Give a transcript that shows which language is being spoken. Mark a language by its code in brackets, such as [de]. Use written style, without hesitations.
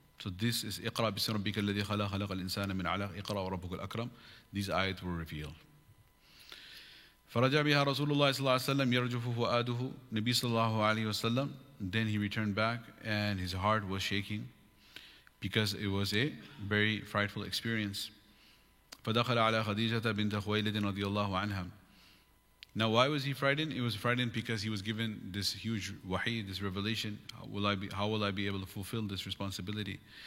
[en] So this is [ar] اِقْرَأْ بِسْمِ رَبِّكَ الَّذِي خَلَقْ. خَلَقَ الْإِنسَانَ مِنْ عَلَقٍ. اِقْرَأْ وَرَبُّكَ الْأَكْرَمُ. [en] These ayat were revealed. [ar] فرجع بها رسول الله صلى الله عليه وسلم يرجف فؤاده نبي صلى الله عليه وسلم. [en] Then he returned back and his heart was shaking because it was a very frightful experience. [ar] فدخل على خديجة بنت خويلد رضي الله عنها. [en] Now why was he frightened? He was frightened because he was given this huge wahi, this revelation. How will I be able to fulfill this responsibility?